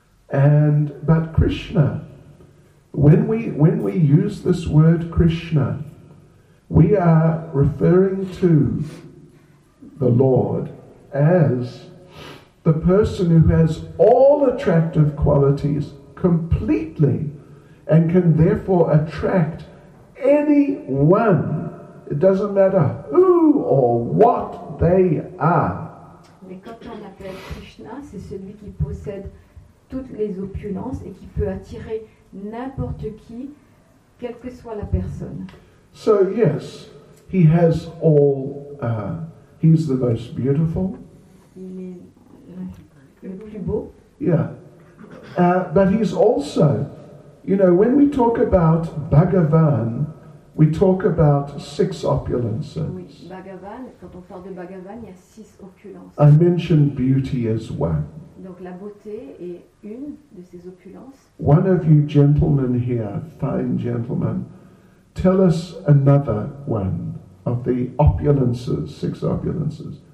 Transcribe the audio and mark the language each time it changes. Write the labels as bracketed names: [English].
[English] And but Krishna, when we use this word Krishna, we are referring to the Lord as the person who has all attractive qualities completely and can therefore attract anyone. It doesn't matter who or what they are. [French] Mais quand on appelle Krishna, c'est celui qui possède toutes les opulences et qui peut attirer n'importe qui, quelle que soit la personne. [English] So yes, he has all, he's the most beautiful. [French] Il est le plus beau. [English] Yeah. But he's also, you know, when we talk about Bhagavan, we talk about six opulences. [French] Oui, Bhagavan, quand on parle de Bhagavan, il y a six opulences. [English] I mentioned beauty as one. [French] Donc la beauté est une de ces opulences. [English] One of you gentlemen here, fine gentlemen, tell us another one of the opulences, six opulences.